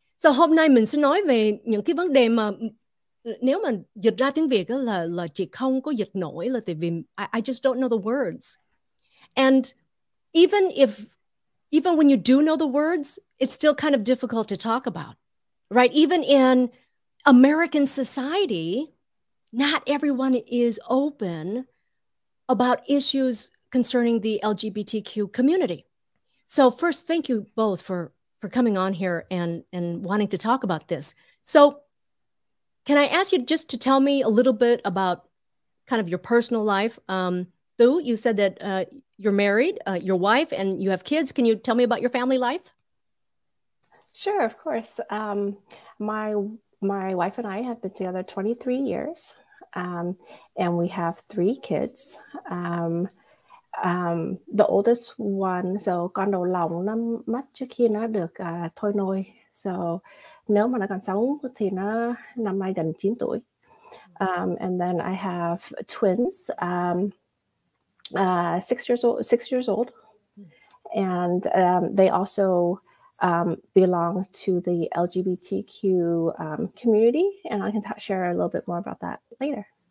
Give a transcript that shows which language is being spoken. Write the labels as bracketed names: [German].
[Vietnamese] So hôm nay mình sẽ nói về những cái vấn đề mà nếu mà dịch ra tiếng Việt là chị không có dịch nổi là tại vì [English] I just don't know the words. And even when you do know the words, it's still kind of difficult to talk about, right? Even in American society, not everyone is open about issues concerning the LGBTQ community. So first, thank you both for coming on here and wanting to talk about this. So can I ask you just to tell me a little bit about kind of your personal life? Tú, you said that you're married, your wife, and you have kids. Can you tell me about your family life? Sure, of course. My wife and I have been together 23 years, and we have three kids. The oldest one, so [Vietnamese] con đầu lòng nó mất trước khi nó được thôi nôi. So nếu mà nó còn sống thì nó năm nay gần 9 tuổi. [English] And then I have twins, 6 years old, and they also belong to the LGBTQ community. And I can share a little bit more about that later.